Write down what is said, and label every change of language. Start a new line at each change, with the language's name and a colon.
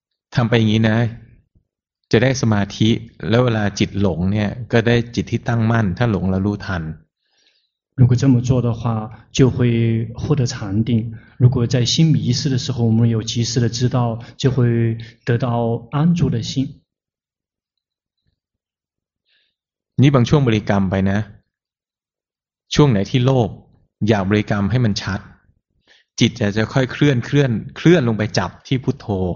Thai: ทำไปอย่างนี้นะจะได้สมาธิแล้วเวลาจิตหลงเนี่ยก็ได้จิตที่ตั้งมั่นถ้าหลงแล้วรู้ทัน
Chinese: 如果这么做的话就会获得禅定如果在心迷失的时候我们有及时的知道就会得到安住的心
Thai: นี่บางช่วงบริกรรมไปนะช่วงไหนที่โลภอย่าบริกรรมให้มันชัดจิตจะค่อยเคลื่อนเคลื่อนเคลื่อนลงไปจับที่พุทโธ